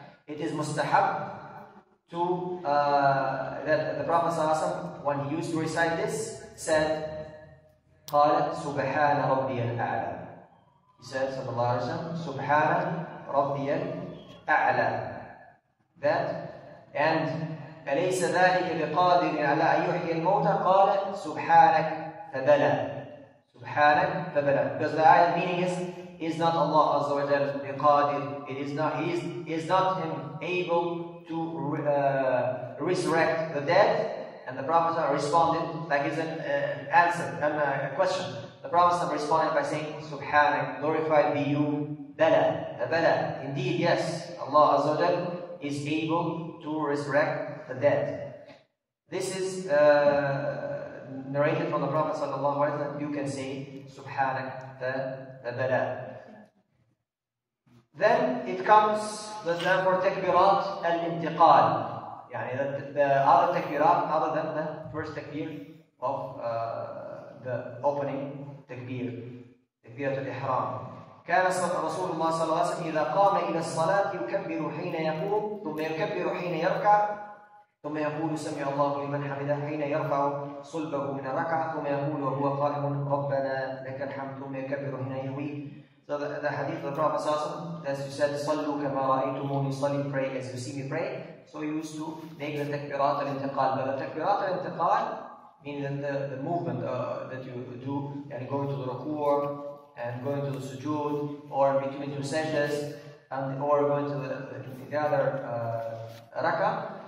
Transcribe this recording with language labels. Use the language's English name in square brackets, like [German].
[English] It is مستحب. To that the Prophet Sallallahu Alaihi Wasallam, when he used to recite this, said, [Arabic] قال سبحان ربي الأعلى. [English] He said, Sallallahu Alaihi Wasallam, [Arabic] سبحان ربي الأعلى. That, and أليس ذلك بقادر على أن يحيي الموتى؟ قال سبحانك فبلى. سبحانك فبلى. [English] Because the ayah meaning is not Allah Azza wa Jal بقادر. It is not, he is not him able to resurrect the dead, and the Prophet responded, like it's an answer, and a question. The Prophet responded by saying, Subhanak, glorified be you, Bala, Bala. Indeed, yes, Allah Azza wa Jalla is able to resurrect the dead. This is narrated from the Prophet Sallallahu Alaihi Wasallam, you can say, Subhanak, Bala. Then it comes the term for takbirat al-intiqal. Yani the other takbirat other than the first takbir of the opening takbir. Takbirat al-ihram. [Arabic] كان رسول الله صلى الله عليه وسلم إذا قام إلى الصلاة يكبر حين يقوم ثم يكبر حين يركع ثم يقول سمع الله لمن حمده حين يرفع صلبه من ركعة ثم يقول وهو قائم ربنا لك الحمد ثم يكبر حين يهوي. [English] So the hadith of the Prophet as you said, [Arabic] صَلُّوا كَمَا رَأَيْتُمُونِي صَلِّي [English] pray as you see me pray. So he used to make the takbirat al-intiqal. But the takbirat al-intiqal means the movement that you do, and going to the ruku' and going to the sujood, or between two sajdas, or going to the other rak'ah.